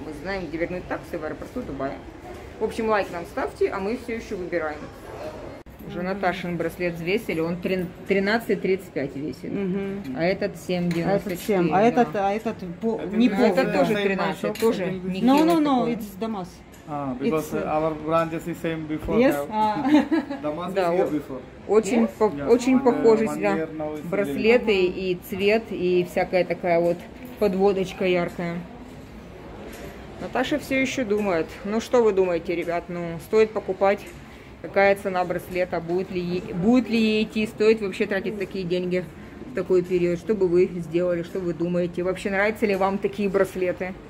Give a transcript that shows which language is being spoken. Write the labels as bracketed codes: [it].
[ru] Мы знаем, где вернуть таксы в аэропорту Дубай. В общем, лайк нам ставьте, а мы все еще выбираем. Уже Наташин браслет взвесили, он 13,35 весит, а этот 7,94. А этот неплохо. Это тоже 13, [en] yeah. [ru] Тоже не кило. [en] No, it's Damas. Because it's, our brand is the same before. Yes. Damas is the same before. [ru] Очень, [en] yes? [ru] Очень похожи на браслеты и цвет, и всякая такая вот подводочка яркая. Наташа все еще думает. Ну что вы думаете, ребят, ну стоит покупать? Какая цена браслета, будет ли ей идти, стоит вообще тратить такие деньги в такой период, что бы вы сделали, что вы думаете, вообще нравятся ли вам такие браслеты?